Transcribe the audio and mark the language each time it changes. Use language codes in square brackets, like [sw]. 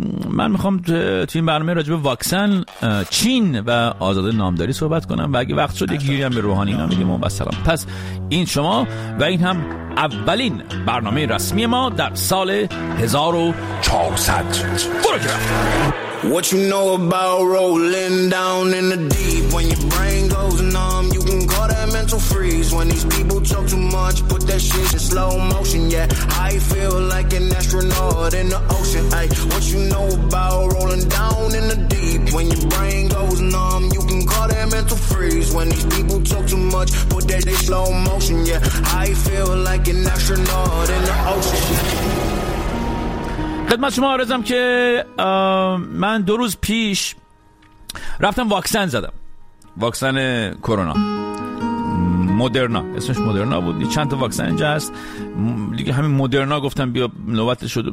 [fa] من میخوام تو این برنامه راجب واکسن، چین و آزاد نامداری صحبت کنم و اگه وقت شد یک گیری هم به روحانی اینا میدیم. و سلام. پس این شما و این هم اولین برنامه رسمی ما در سال 1400. برو که رفت. [en] What you know about rolling down in the deep when your brain goes numb. Freeze when these people talk too much. Put that shit in slow motion. Yeah, I feel like an astronaut in the ocean. Ay, what you know about rolling down in the deep? When your brain goes numb, you can call that mental freeze. When these people talk too much, put that in slow motion. Yeah, I feel like an astronaut in the ocean. [fa] خدمت شما عرضم که من دو روز پیش رفتم واکسن زدم، واکسن کرونا، مدرنا، اسمش مدرنا بود. چند تا واکسن اینجا هست دیگه، همین مدرنا گفتم بیا نوبت شد.